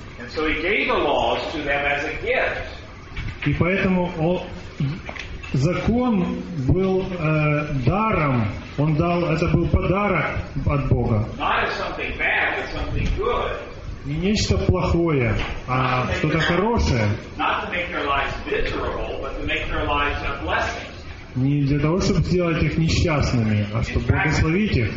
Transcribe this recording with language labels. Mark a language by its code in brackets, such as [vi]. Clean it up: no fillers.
[en] And so he gave the laws to them as a gift. [ru] И поэтому закон был даром. Он дал, это был подарок от Бога. [en] Not as something bad, but something good. [ru] Не нечто плохое, а что-то хорошее. [en] Not to make their lives miserable, but to make their lives a blessing. [ru] Не для того, чтобы сделать их несчастными, а чтобы благословить их.